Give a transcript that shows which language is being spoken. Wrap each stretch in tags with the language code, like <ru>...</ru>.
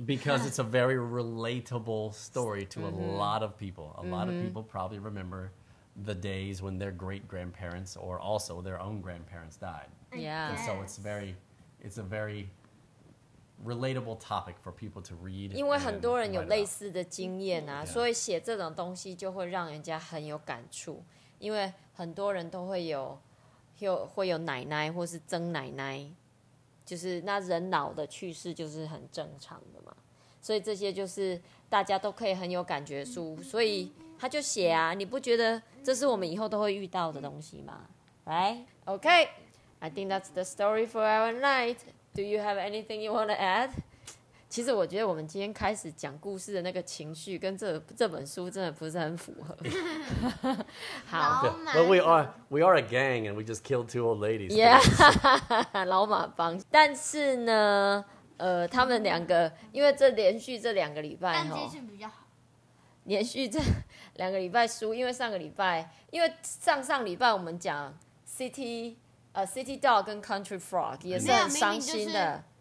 <en>Because it's a very relatable story to mm-hmm. a lot of people. A mm-hmm. lot of people probably remember the days when their great-grandparents or also their own grandparents died. Yeah. And so it's a very relatable topic for people to read.</en> <zh>因为很多人有类似的经验啊, 所以写这种东西就会让人家很有感触, 因为很多人都会有奶奶或是曾奶奶, 就是那人老的去世就是很正常的嘛, 所以这些就是大家都可以很有感觉书, 所以 他就写啊, 你不觉得这是我们以后都会遇到的东西吗?</zh> <en>Right? Okay, I think that's the story for our night. Do you have anything you want to add?</en> <zh>其实我觉得我们今天开始讲故事的那个情绪跟 这本书真的不是很符合。好，</zh> <en>okay. But we are a gang and we just killed two old ladies. Yeah,</en> <zh>老马帮。但是呢，他们两个因为这连续这两个礼拜，但接近比较好。连续这两个礼拜输，因为上个礼拜，因为上上礼拜我们讲 City Dog 跟 Country Frog 也是很伤心的，</zh>